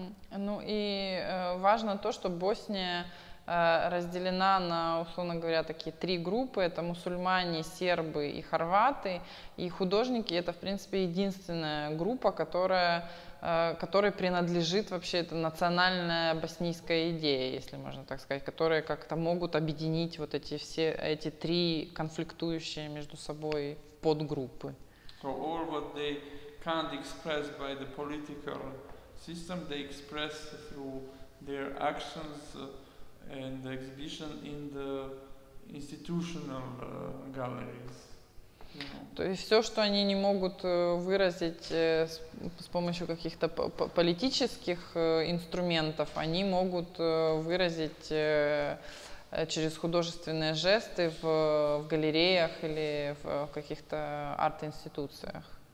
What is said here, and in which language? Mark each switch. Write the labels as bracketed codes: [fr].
[ru] Ну и важно то, что Босния разделена на, условно говоря, такие три группы, это мусульмане, сербы и хорваты, и художники — это, в принципе, единственная группа, которой принадлежит вообще эта национальная боснийская идея, если можно так сказать, которые как-то могут объединить вот эти все эти три конфликтующие между собой подгруппы. [en] So all what they can't express by the political system, they express through their actions and the exhibition in the institutional galleries. [ru] То есть все, что они не могут выразить с помощью каких-то политических инструментов, они могут выразить через художественные жесты в галереях или в каких-то арт-институциях.